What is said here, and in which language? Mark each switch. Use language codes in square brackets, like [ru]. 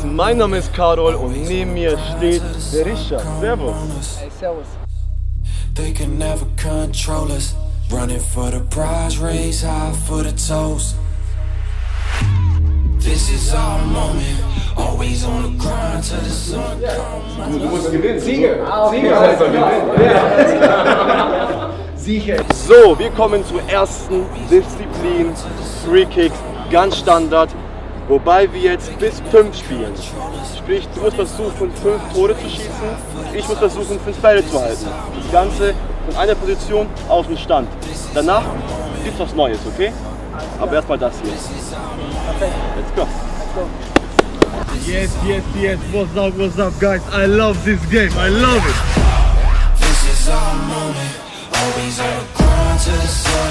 [de] Mein Name ist Karol und neben mir steht der Richard. Servus. Hey, servus. [en] They can never control us. Running for the prize, raise high for the toast. This is our moment. Always on the grind till the sun comes. [de] Du musst gewinnen. Sieger. Sieger heißt er. Sieger. So, wir kommen zur ersten Disziplin. Three Kicks, ganz Standard. Wobei wir jetzt bis 5 spielen. Sprich, du musst versuchen, 5 Tore zu schießen. Ich muss versuchen, 5 Bälle zu halten. Das Ganze von einer Position auf den Stand. Danach gibt's was Neues, okay? Aber erstmal das hier. Perfekt. [en] Let's go. Let's go. Yes, yes, yes. What's up, guys? I love this game. I love it. This is our moment. Always on the ground to the sun.